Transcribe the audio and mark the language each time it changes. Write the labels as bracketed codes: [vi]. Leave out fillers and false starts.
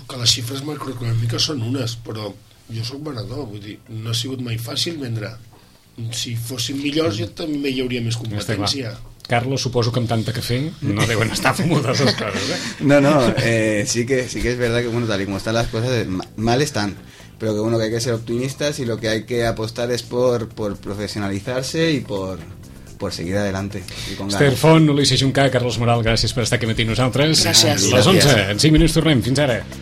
[ca] Que les xifres macroeconòmiques són unes, però jo sóc venedor, vull dir, no ha sigut mai fàcil vendre. Si fossin millors, jo també hi hauria més competència. Carlos, suposo que amb tanta cafè no deuen estar fumudes les coses, eh? No, sí que és verdad que, bueno, tal com estan les coses, mal estan. Però que, [es] bueno, que hay que ser optimistas y lo que hay que apostar es por profesionalizarse y por... Pues seguir adelante. [ca] Esther Font, Ulisses Juncà, Carlos Moral, gràcies per estar aquí matí amb nosaltres. Gràcies. Les 11, en 5 minuts tornem. Fins ara.